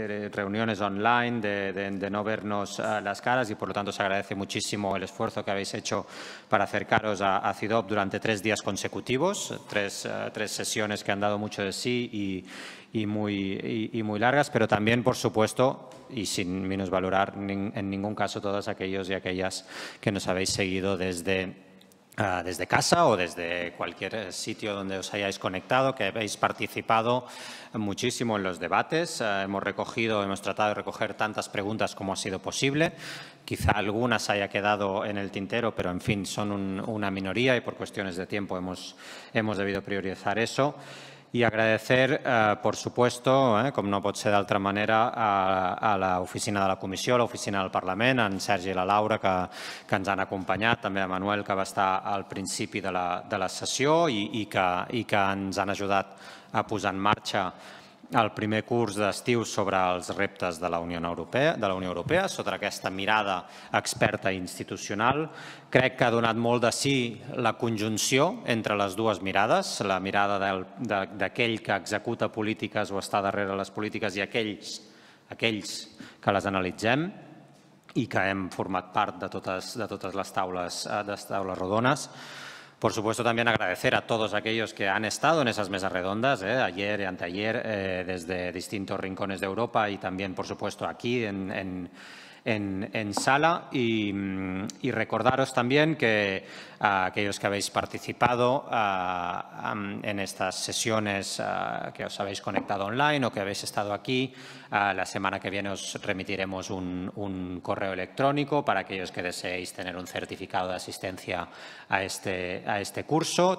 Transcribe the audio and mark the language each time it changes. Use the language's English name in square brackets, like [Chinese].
[Spanish] reuniones online, de no vernos las caras, y por lo tanto se agradece muchísimo el esfuerzo que habéis hecho para acercaros a CIDOP durante 3 días consecutivos, tres sesiones que han dado mucho de sí y muy largas, pero también, por supuesto, y sin minusvalorar en ningún caso todos aquellos y aquellas que nos habéis seguido desde casa o desde cualquier sitio donde os hayáis conectado, que habéis participado muchísimo en los debates. Hemos tratado de recoger tantas preguntas como ha sido posible. Quizá algunas haya quedado en el tintero, pero en fin, son una minoría y por cuestiones de tiempo hemos debido priorizar eso. [Catalan] Y agradecer, por supuesto, como no pot ser d'altra manera, a l'oficina de la comissió, a l'oficina del Parlament, en Sergi i la Laura, que ens han acompanyat, també a Manuel, que va estar al principi de la sessió i que ens han ajudat a posar en marxa el primer curs d'estiu sobre els reptes de la Unió Europea, sota aquesta mirada experta i institucional. Crec que ha donat molt de sí la conjunció entre les dues mirades, la mirada d'aquell que executa polítiques o està darrere les polítiques i aquells que les analitzem i que hem format part de totes les taules rodones. [Spanish] Por supuesto, también agradecer a todos aquellos que han estado en esas mesas redondas, ayer y anteayer, desde distintos rincones de Europa y también, por supuesto, aquí en sala. Y recordaros también que a aquellos que habéis participado en estas sesiones, que os habéis conectado online o que habéis estado aquí, la semana que viene os remitiremos un correo electrónico para aquellos que deseéis tener un certificado de asistencia a este curso.